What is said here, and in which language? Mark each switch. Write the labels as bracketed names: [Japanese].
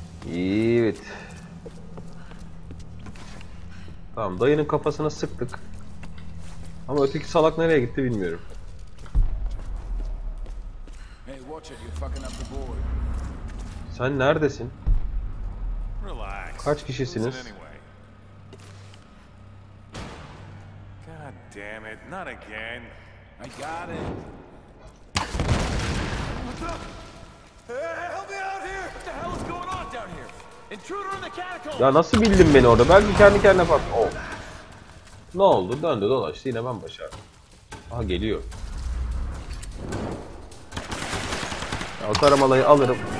[Turkish] Evet. Tamam, dayının kafasına sıktık. Ama öteki salak nereye gitti bilmiyorum. [English] Hey, watch it, you're fucking up the board. [Turkish] Sen neredesin? [English] Relax. [Turkish] Kaç kişisiniz? [English] God damn it, not again. I got it. What's up? Hey, help me out here. What the hell is going on down here? Intruder in the catacombs. [Turkish] Ya nasıl bildin beni orada? Ben kendi kendine patladım. Oh. Ne oldu? Döndü dolaştı. Yine ben başardım. Aha geliyor. Ya, o taramalayı alırım.